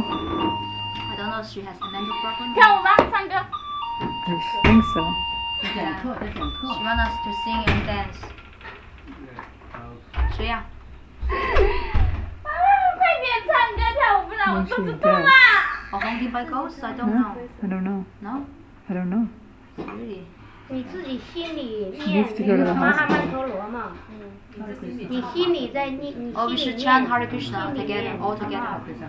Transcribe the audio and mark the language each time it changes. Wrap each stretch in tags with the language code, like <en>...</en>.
<en>I don't know if she has a mental problem.</en> <zh>跳舞吧，唱歌。</zh> <en>I think so. She wants us to sing and dance.</en> <zh>谁呀？快点唱歌跳舞，不然我肚子痛啊！我红皮白狗，所以</zh> <en>I don't know. No? I don't know. Really?</en> <zh>你自己心里念那个什么阿曼陀罗嘛，你心里在念。</zh> <en>Oh, we should chant Hare Krishna together, all together.</en>